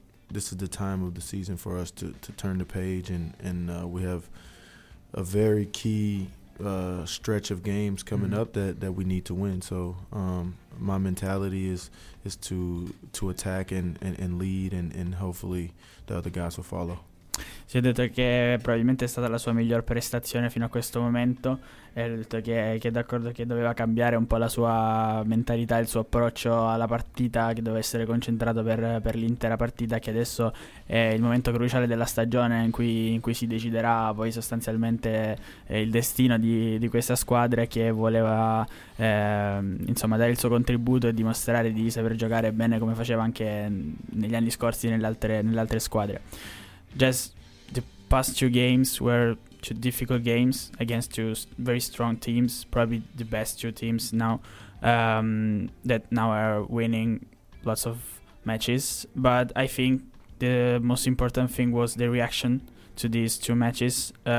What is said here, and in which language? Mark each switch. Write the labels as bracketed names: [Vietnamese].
[English] this is the time of the season for us to turn the page, and we have a very key stretch of games coming up that we need to win. So my mentality is to attack and lead, and hopefully the other guys will follow. [Italian] Si è detto che probabilmente è stata la sua miglior prestazione fino a questo momento, e ha detto che è d'accordo che doveva cambiare un po' la sua mentalità, il suo approccio alla partita, che doveva essere concentrato per l'intera partita, che adesso è il momento cruciale della stagione in cui si deciderà poi sostanzialmente il destino di questa squadra, che voleva insomma dare il suo contributo e dimostrare di saper giocare bene, come faceva anche negli anni scorsi nelle altre squadre. [English] Just the past two games were two difficult games against two very strong teams, probably the best two teams now, that now are winning lots of matches. But I think the most important thing was the reaction to these two matches.